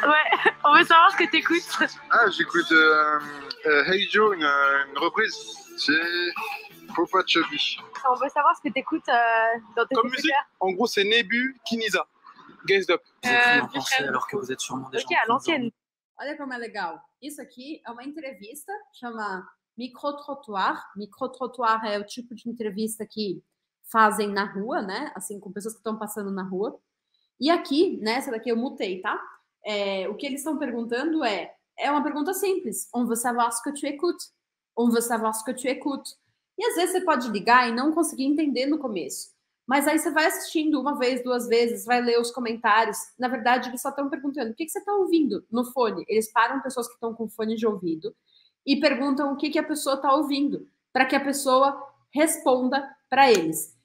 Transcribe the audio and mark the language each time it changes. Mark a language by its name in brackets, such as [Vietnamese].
[French] Ouais, on veut savoir ce que tu écoutes. Ah, j'écoute Hey Joe, une reprise. C'est Popa Chubby. On veut savoir ce que tu écoutes dans tes comme musique. En gros, c'est Nebu Kiniza. Gazed Up. Alors que vous êtes sûrement déjà. Ok, à l'ancienne. [Portuguese] Olha como é legal. Isso aqui é uma entrevista, chama micro-trottoir. Micro-trottoir é o tipo de entrevista que fazem na rua, né? Assim, com pessoas que estão passando na rua. E aqui, nessa daqui eu mutei, tá? O que eles estão perguntando é uma pergunta simples. [French] On veut savoir ce que tu écoutes? On veut savoir ce que tu écoutes? [Portuguese] E às vezes você pode ligar e não conseguir entender no começo. Mas aí você vai assistindo uma vez, duas vezes, vai ler os comentários. Na verdade, eles só estão perguntando, o que você está ouvindo no fone? Eles param pessoas que estão com fone de ouvido e perguntam o que a pessoa está ouvindo, para que a pessoa responda para eles.